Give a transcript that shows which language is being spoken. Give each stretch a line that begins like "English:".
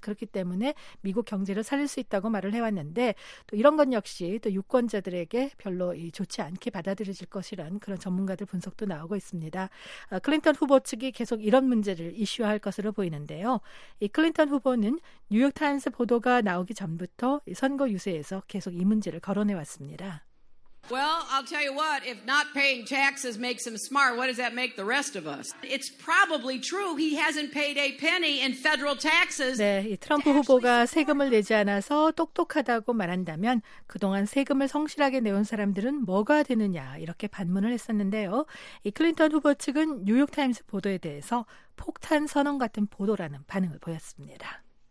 Korean: 그렇기 때문에 미국 경제를 살릴 수 있다고 말을 해왔는데 또 이런 건 역시 또 유권자들에게 별로 좋지 않게 받아들여질 것이란 그런 전문가들 분석도 나오고 있습니다. 클린턴 후보 측이 계속 이런 문제를 이슈화할 것으로 보이는데요. 이 클린턴 후보는 뉴욕타임스 보도가 나오기 전부터 선거 유세에서 계속 이 문제를 거론해왔습니다.
English: Well, I'll tell you what, if not paying taxes makes him smart, what does that make the rest of us? It's probably true he hasn't paid a penny in federal taxes.
Korean: 네, 이 트럼프 후보가 세금을 내지 않아서 똑똑하다고 말한다면 그동안 세금을 성실하게 내온 사람들은 뭐가 되느냐 이렇게 반문을 했었는데요. 이 클린턴 후보 측은 뉴욕타임스 보도에 대해서 폭탄 선언 같은 보도라는 반응을 보였습니다.